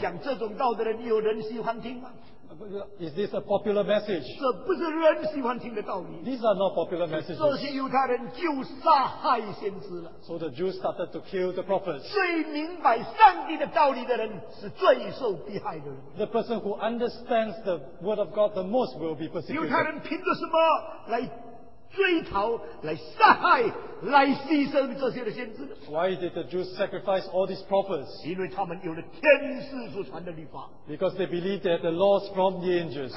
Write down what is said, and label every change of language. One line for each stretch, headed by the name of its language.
Chinese: 讲这种道的人, 有人喜欢听吗?
English: Is this a popular message? These are not popular messages. So the Jews started to kill the prophets. The person who understands the word of God the most will be persecuted.
Chinese: 追逃来杀害来牺牲这些的先知，
English: Why did the Jews sacrifice all these prophets?
Chinese: 因为他们有了天使所传的律法，
English: Because they believed they had the laws from the angels.